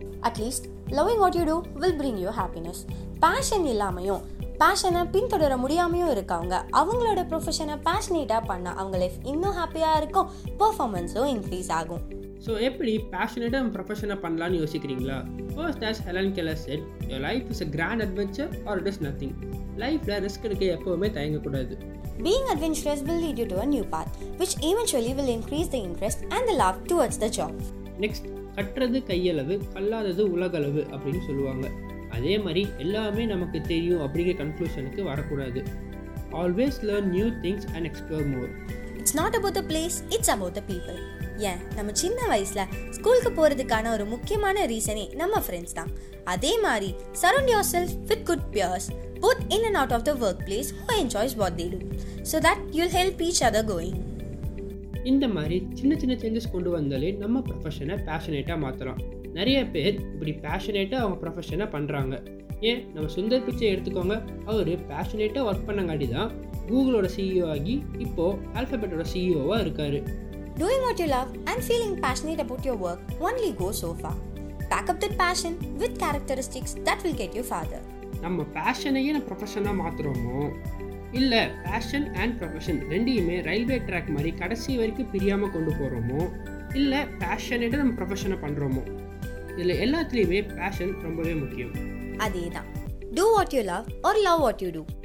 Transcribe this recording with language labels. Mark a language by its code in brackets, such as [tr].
[en] At least loving what you do will bring you happiness. [ta] Fashion இல்லாமையும் பேஷனை பின்தொடர முடியாமையும் இருக்கவங்க அவங்களோட ப்ரொஃபஷனை பேஷனேட்டாக பண்ண அவங்க லைஃப் இன்னும் ஹாப்பியாக இருக்கும், பர்ஃபார்மன்ஸும் இன்க்ரீஸ் ஆகும். ஸோ எப்படி பேஷனேட்டாக ப்ரொஃபஷனை பண்ணலான்னு யோசிக்கிறீங்களா? [en] First as Helen Keller said, your life is a grand adventure or it is nothing. [ta] லைஃப்ல ரிஸ்க் எடுக்க எப்பவுமே தயங்கக்கூடாது. [en] Being adventurous will lead you to a new path, which eventually will increase the interest and the love towards the job. [ta] Next, கற்றது கையளவு, கல்லாதது உலகளவு அப்படின்னு சொல்லுவாங்க. அதே மாதிரி எல்லாமே நமக்கு தெரியும் அப்படிங்கிற கன்க்ளூஷனுக்கு வரக்கூடாது. [en] Always learn new things and explore more. It's not about the place, it's about the people. [ta] ஏன் நம்ம சின்ன வயசில் ஸ்கூலுக்கு போகிறதுக்கான ஒரு முக்கியமான ரீசனே நம்ம ஃப்ரெண்ட்ஸ் தான். அதே மாதிரி [en] Surround yourself with good peers both in and out of the work place who enjoys what they do, so that you'll help each other going. [ta] இந்த மாதிரி சின்ன சின்ன சேஞ்சஸ் கொண்டு வந்தாலே நம்ம ப்ரொஃபஷனை பேஷனேட்டாக மாற்றலாம். நிறைய பேர் இப்படி பேஷனேட்டாக அவங்க ப்ரொஃபஷனை பண்ணுறாங்க. ஏன் நம்ம சுந்தர் பிச்சை எடுத்துக்கோங்க, அவர் பேஷனேட்டாக ஒர்க் பண்ணங்காட்டி தான் கூகுளோட சிஇஓ ஆகி இப்போ ஆல்பாபெட்டோட சிஇஓவாக இருக்கார். [en] Doing what you love and feeling passionate about your work only go so far. Back up that passion with characteristics that will get you farther. [ta] நம்ம பேஷனையே நம்ம ப்ரொஃபஷனாக மாற்றுறோமோ, இல்லை பேஷன் அண்ட் ப்ரொஃபஷன் ரெண்டையுமே ரயில்வே ட்ராக் மாதிரி கடைசி வரைக்கும் பிரியாமல் கொண்டு போகிறோமோ, இல்லை பேஷனேட்டை நம்ம ப்ரொஃபஷனை பண்ணுறோமோ, இதில் எல்லாத்துலேயுமே பேஷன் ரொம்பவே முக்கியம். அதே தான், [en] Do what you love or love what you do.